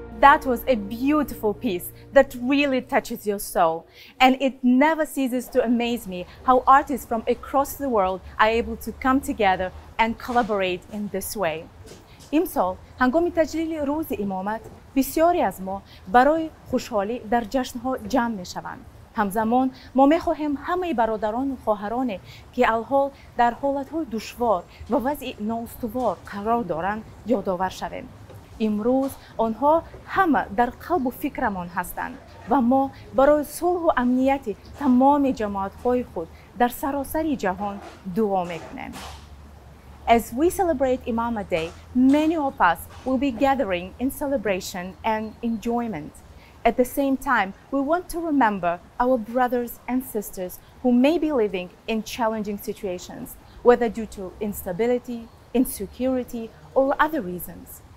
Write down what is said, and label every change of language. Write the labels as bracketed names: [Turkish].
[English] That was a beautiful piece that really touches your soul. And it never ceases to amaze me how artists from across the world are able to come together and collaborate in this way. [Tajik] Имсол ҳангоми таҷлили рӯзи имомат бисёре аз мо барои хушҳолӣ дар ҷашнҳо ҷамъ мешаванд. Ҳамзамон мо мехоҳем ҳамаи бародарону хоҳароне ки алҳол дар ҳолатҳои душвор ва вазъи ноустувор қарор доранд ёдовар шавем. Имрӯз онҳо ҳама дар қалбу фикрамон ҳастанд ва мо барои сулҳу амнияти тамоми ҷамоатҳои худ дар саросари ҷаҳон дуо мекунем. [English] As we celebrate Imamat Day, many of us will be gathering in celebration and enjoyment. At the same time, we want to remember our brothers and sisters who may be living in challenging situations, whether due to instability, insecurity, or other reasons.